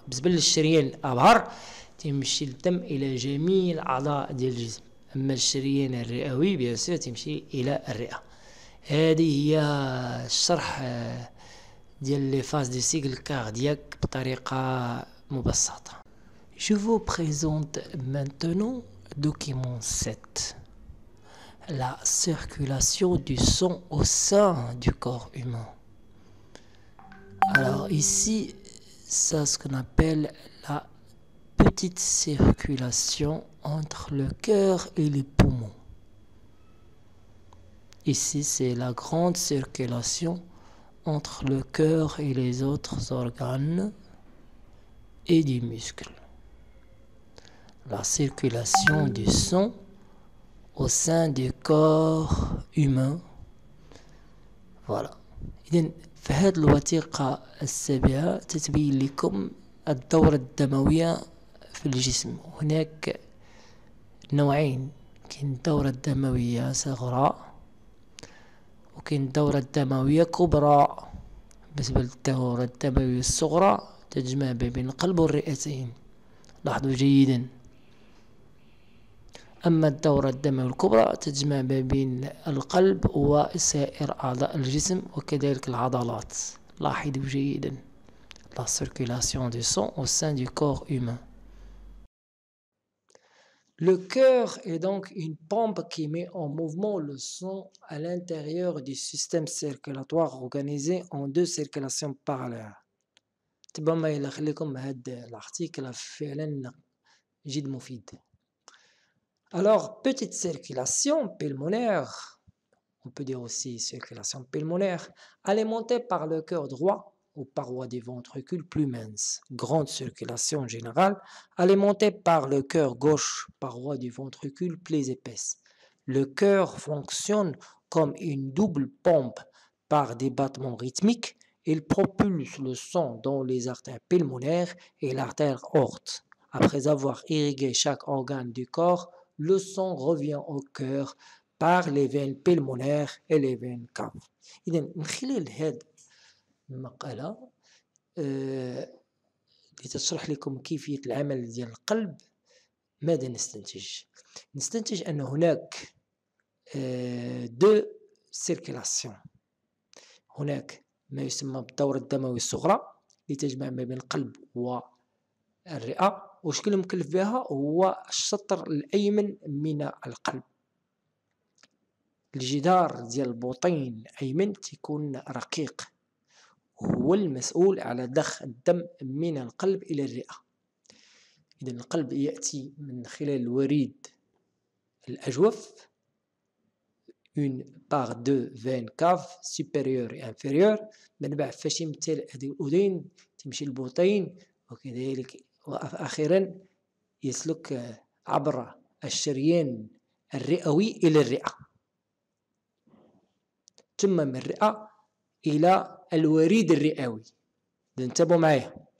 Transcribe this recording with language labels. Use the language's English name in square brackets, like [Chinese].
[Arabic] بالنسبه للشريان الابهر تيمشي الدم الى جميع الاعضاء ديال الجسم، اما الشريان الرئوي بيسير تمشي الى الرئه. هذه هي الشرح ديال [French] لي فاز دي سيكل كاردياك [Arabic] بطريقه مبسطه. [French] Je vous présente maintenant document 7. la circulation du sang au sein du corps humain. Alors ici, ça ce qu'on appelle la petite circulation entre le cœur et les poumons. Ici, c'est la grande circulation entre le cœur et les autres organes et des muscles. La circulation du sang au sein du corps humain. Voilà. [Arabic] في هذه الوثيقة السابعة تتبين لكم الدورة الدموية في الجسم. هناك نوعين، كاين الدورة الدموية صغرى وكاين الدورة الدموية كبرى. بالنسبة للدورة الدموية الصغرى تجمع بين القلب والرئتين، لاحظوا جيدا. أما الدورة الدموية الكبرى تجمع بين القلب وسائر أعضاء الجسم وكذلك العضلات. لاحظوا جيدا. [French] La circulation du sang au sein du corps humain. Le cœur est donc une pompe qui met en mouvement le sang à l'intérieur du système circulatoire organisé en deux circulations parallèles. [Arabic] تبما إلى خليكم هاد الأرتيكل فعلا جد مفيد. [French] Alors, petite circulation pulmonaire, on peut dire aussi circulation pulmonaire, alimentée par le cœur droit ou paroi du ventricule plus mince. Grande circulation générale, alimentée par le cœur gauche, paroi du ventricule plus épaisse. Le cœur fonctionne comme une double pompe par des battements rythmiques. Il propulse le sang dans les artères pulmonaires et l'artère aorte. Après avoir irrigué chaque organe du corps, le sang revient au cœur par les veines pulmonaires et les veines caves. [Arabic] إذن نخلي لهاد المقالة لتشرح لكم كيفية العمل ديال القلب. ماذا نستنتج؟ نستنتج أن هناك [French] دو سيركيلاسيون. [Arabic] هناك ما يسمى بالدورة الدموية الصغرى اللي تجمع ما بين القلب والرئة. وشكل مكلف بها هو الشطر الأيمن من القلب. الجدار ديال البطين أيمن تكون رقيق، هو المسؤول على ضخ الدم من القلب إلى الرئة. إذن القلب يأتي من خلال الوريد الأجوف، [French] une par deux veines cave supérieure et inférieure. [Arabic] من بعد فاش يمتل هذه الأذين تمشي البطين وكذلك وأخيرا يسلك عبر الشريان الرئوي إلى الرئة، ثم من الرئة إلى الوريد الرئوي. انتبهوا معي.